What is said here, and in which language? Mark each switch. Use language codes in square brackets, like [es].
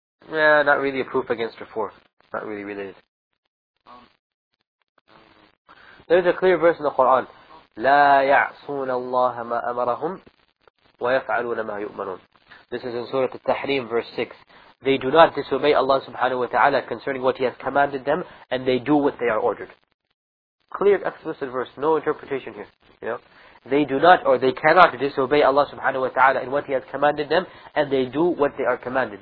[en] Yeah, not really a proof against a force. Not really related. There's a clear verse in the Quran. [ar] لا يعصون الله ما أمرهم ويفعلون ما يؤمنون. [en] This is in Surah Al-Tahrim, verse 6. They do not disobey Allah subhanahu wa ta'ala concerning what He has commanded them, and they do what they are ordered. Clear, explicit verse, no interpretation here. You know? They do not, or they cannot disobey Allah subhanahu wa ta'ala in what He has commanded them, and they do what they are commanded.